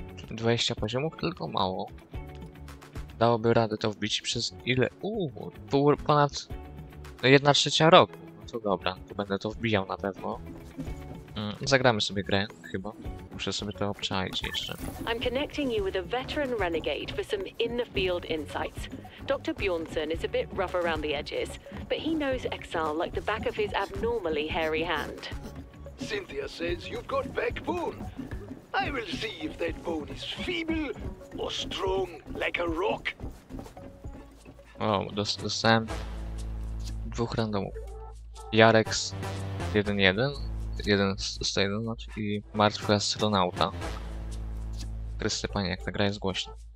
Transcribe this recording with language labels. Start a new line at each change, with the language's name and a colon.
Polish: Dwadzieścia poziomów, tylko mało. Dałoby radę to wbić przez ile? Ponad... No jedna trzecia roku. No to dobra, to będę to wbijał na pewno. Zagramy sobie grę, chyba. Muszę sobie to obczaić jeszcze.
English: I'm connecting you with a veteran renegade for some in-the-field insights. Dr. Bjornsson is a bit rough around the edges, but he knows Exile like the back of his abnormally hairy hand. Cynthia says you've got backbone. I will see if that bone is feeble or strong like a rock.
Polish: O, dostałem dwóch randomów. Jareks 1-1. Jeden z tej i martwy astronauta. Chryste, panie, jak ta gra jest głośna.